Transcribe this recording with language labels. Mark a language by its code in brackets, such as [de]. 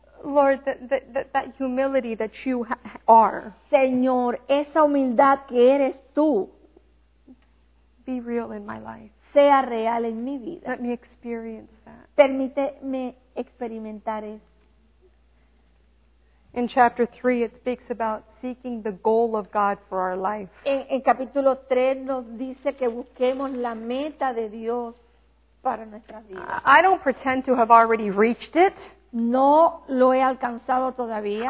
[en] Lord, that humility that you are. [es] Señor, esa humildad que eres tú. [en] Be real in my life. [es] Sea real en mi vida. [en] Let me experience that. [es] Permíteme experimentar eso. [en] In chapter 3, it speaks about seeking the goal of God for our life. [es] En capítulo 3 nos dice que busquemos la meta de Dios. [en] I don't pretend to have already reached it. [es] No lo he alcanzado todavía.